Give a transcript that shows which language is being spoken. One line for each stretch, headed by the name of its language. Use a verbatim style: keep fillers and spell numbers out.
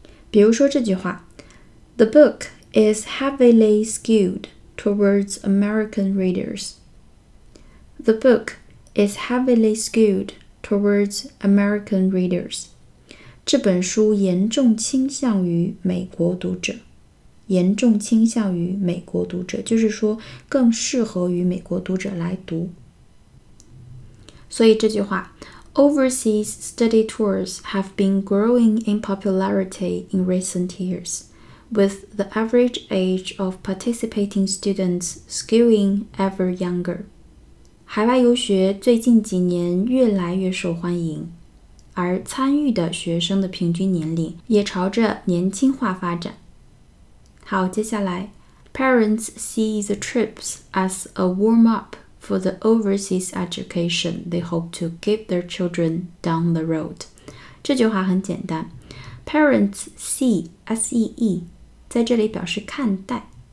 Chinese: 比如说这句话
English: The book is heavily skewed towards American readers. The book is heavily skewed towards American readers.
Chinese: 这本书严重倾向于美国读者。严重倾向于美国读者，就是说更适合于美国读者来读。所以这句话
English: Overseas study tours have been growing in popularity in recent years, with the average age of participating students skewing ever younger.
Chinese: 海外游学最近几年越来越受欢迎，而参与的学生的平均年龄也朝着年轻化发展。好，接下来
English: Parents see the trips as a warm-up for the overseas education they hope to give their children down the road.
Chinese: 这句话很简单。
English: Parents see,
Chinese: S E E, 在这里表示看待。